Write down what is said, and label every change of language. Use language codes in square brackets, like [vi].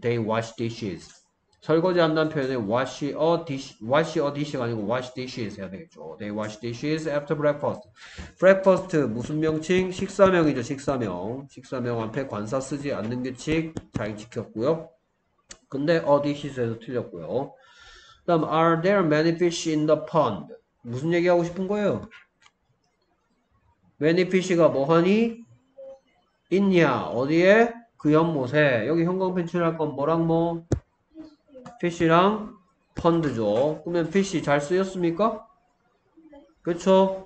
[en] They wash dishes. [ko] 설거지 한다는 표현에 wash a dish가 아니고 wash dishes 해야 되겠죠. [en] They wash dishes after breakfast. breakfast [ko] 무슨 명칭? 식사명이죠. 식사명. 식사명 앞에 관사 쓰지 않는 규칙 잘 지켰고요. 근데 a dishes에서 틀렸고요. 다음 [en] are there many fish in the pond? [ko] 무슨 얘기하고 싶은 거예요? many fish가 뭐하니? 있냐? 어디에? 그 연못에. 여기 형광펜 칠할 건 뭐랑 뭐? 피쉬랑 펀드죠. 그러면 피쉬 잘 쓰였습니까? 그쵸?